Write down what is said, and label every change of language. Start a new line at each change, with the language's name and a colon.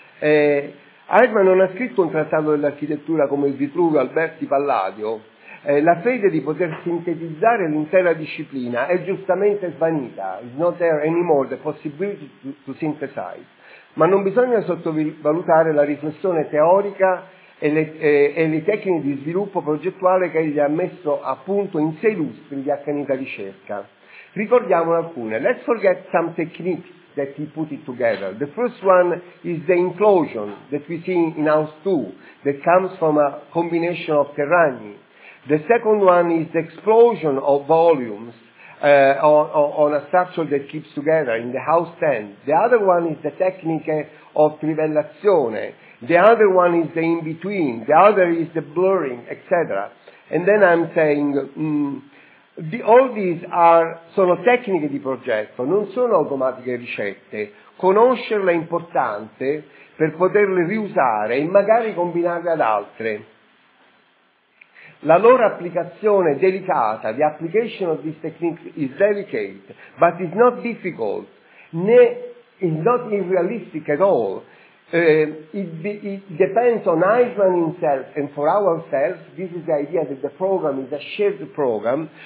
Italian: Eichmann non ha scritto un trattato dell'architettura come il Vitruvio, Alberti, Palladio. La fede di poter sintetizzare l'intera disciplina è giustamente svanita.
English: It's not there anymore, the possibility to synthesize.
Italian: Ma non bisogna sottovalutare la riflessione teorica e le tecniche di sviluppo progettuale che egli ha messo a punto in 6 lustri di accanita ricerca. Ricordiamo alcune.
English: Let's forget some techniques that he put it together. The first one is the inclusion that we see in House 2 that comes from a combination of Terragni. The second one is the explosion of volumes on a structure that keeps together in the House 10. The other one is the technique of trivellazione. The other one is the in-between. The other is the blurring, etc. And then I'm saying, all these
Italian: sono tecniche di progetto, non sono automatiche ricette. Conoscerle è importante per poterle riusare e magari combinarle ad altre. La loro applicazione delicata,
English: the application of these techniques is delicate, but it's not difficult,
Italian: né
English: it's not unrealistic at all. It depends on Eichmann himself, and for ourselves, this is the idea that the program is a shared program.